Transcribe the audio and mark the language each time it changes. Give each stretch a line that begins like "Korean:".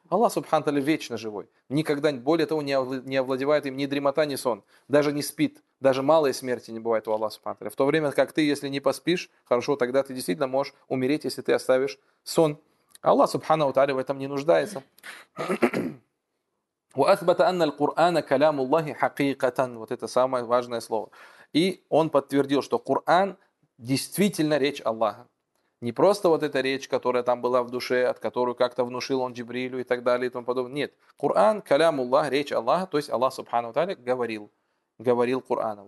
Russian: Аллах Субхану Таля вечно живой. Никогда, более того, не овладевает им ни дремота, ни сон. Даже не спит. Даже малой смерти не бывает у Аллаха Субхану Таля. В то время, как ты, если не поспишь, хорошо, тогда ты действительно можешь умереть, если ты оставишь сон. Аллах Субхану Таля в этом не нуждается.
Arabic: وأثبت أن القرآن كلام الله حقيقة.
Russian: Вот это самое важное слово. И он подтвердил, что Коран действительно речь Аллаха. Не просто вот эта речь, которая там была в душе, от которой как-то внушил он Джибрилю и так далее и тому подобное. Нет. Коран
Arabic: كلام الله
Russian: речь Аллаха, то есть Аллах Субхану ва Тааля говорил Кораном.